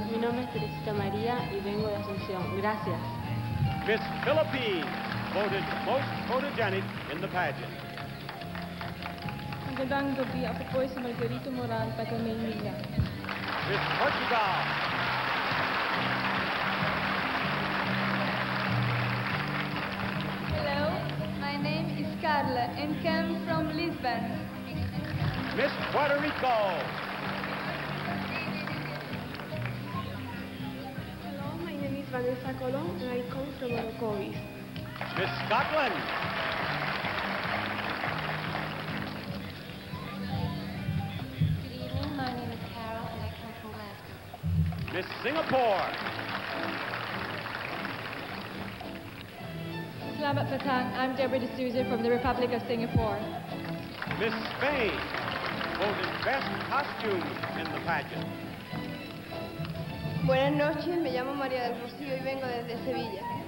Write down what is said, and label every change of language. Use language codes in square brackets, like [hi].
[es] Mi nombre es Teresita María y vengo de Asunción. Gracias. [en] Miss Philippines, voted most photogenic in the pageant. [tl] Magandang gabi ako po si Margarito Moral, taga Maynila. [en] Miss Portugal. Hello, my name is Carla and come from Lisbon. Miss Puerto Rico. Vanessa Colón, and I come from Orocovis. Miss Scotland. Good evening, my name is Carol, and I come from Glasgow. Miss Singapore. [ms] Selamat petang, [en] I'm Deborah D'Souza from the Republic of Singapore. Miss Spain, voted best costume in the pageant. [es] Buenas noches, me llamo María del Rocío y vengo desde Sevilla.